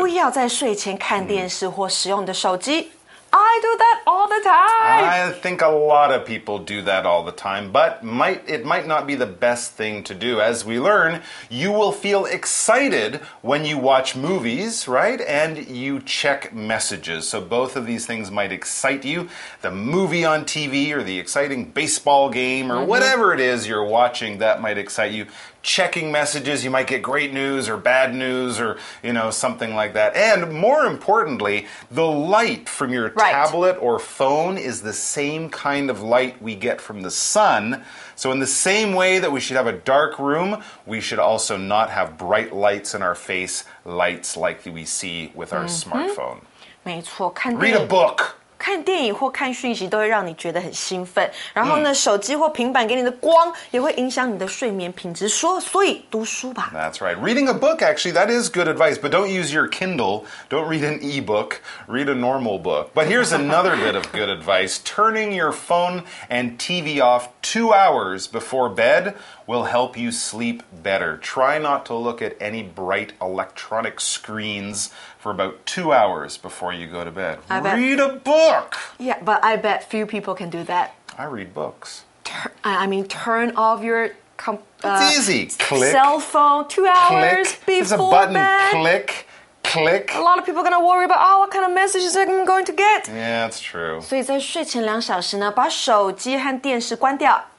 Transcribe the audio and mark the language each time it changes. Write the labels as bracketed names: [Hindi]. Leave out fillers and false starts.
[Chinese] 不要在睡前看电视或使用你的手机。 [English] I do that all the time. I think a lot of people do that all the time, but it might not be the best thing to do. As we learn, you will feel excited when you watch movies, right? And you check messages. So both of these things might excite you. The movie on TV or the exciting baseball game or whatever it is you're watching, that might excite you. Checking messages, you might get great news or bad news or, you know, something like that. And more importantly, the light from your tablet or phone is the same kind of light we get from the sun. So in the same way that we should have a dark room, we should also not have bright lights in our face, lights like we see with our smartphone. [Chinese] 没错，看电影。 [English] Read a book. [Chinese] 看电影或看讯息都会让你觉得很兴奋，然后呢，手机或平板给你的光也会影响你的睡眠品质。所以读书吧。 [English] That's right. Reading a book, actually, that is good advice. But don't use your Kindle. Don't read an e-book. Read a normal book. But here's another bit of good advice. Turning your phone and TV off 2 hours before bed will help you sleep better. Try not to look at any bright electronic screens. For about 2 hours before you go to bed. Read a book! Yeah, but I bet few people can do that. I read books. Turn off your... It's easy. Click. Cell phone 2 hours before bed. There's a button. Click. Click. A lot of people are going to worry about, what kind of messages am I going to get? Yeah, that's true. [Chinese] 所以在睡前两小时呢，把手机和电视关掉。